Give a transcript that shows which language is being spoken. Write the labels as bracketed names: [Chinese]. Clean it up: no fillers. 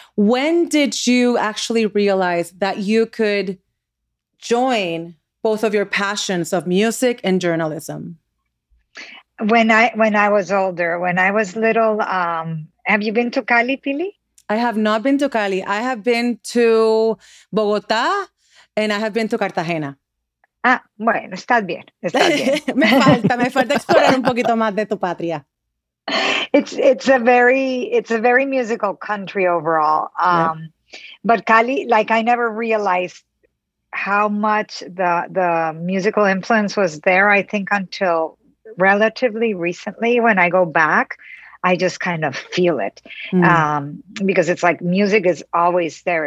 [English] When did you actually realize that you could join both of your passions of music and journalism? When I was older, when I was little, have you been to Cali, Pili? I have not been to Cali. I have been to Bogota and I have been to Cartagena. [Spanish] Ah, bueno, estás bien, estás bien. me falta explorar un poquito más de tu patria. [English] It's a very musical country overall. But Cali, like I never realized how much the musical influence was there, I think, until relatively recently. When I go back, I just kind of feel it. Because it's like music is always there.